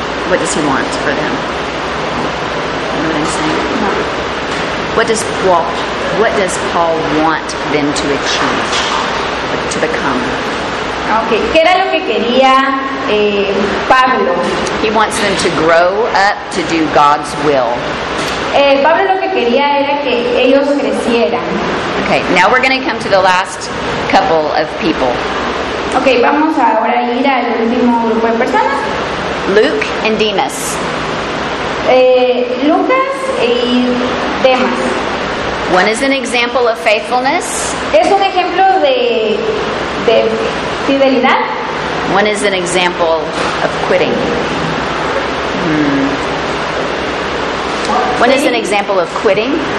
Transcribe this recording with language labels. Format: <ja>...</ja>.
<en>What does he want for them? You know what I'm saying? No. What does Paul want them to achieve, to become? Okay.</en> <es>¿Qué era lo que quería Pablo?</es> <en>He wants them to grow up to do God's will.</en> <es>Pablo lo que quería era que ellos crecieran.</es> <en>Okay, now we're going to come to the last couple of people.</en> <es>Okay, vamos ahora a ir al último grupo de personas.</es> <en>Luke and Demas.</en> <es>Lucas y Demas.</es> <en>One is an example of faithfulness.</en> <es>Es un ejemplo de fidelidad.</es> <en>One is an example of quitting. One is an example of quitting.</en>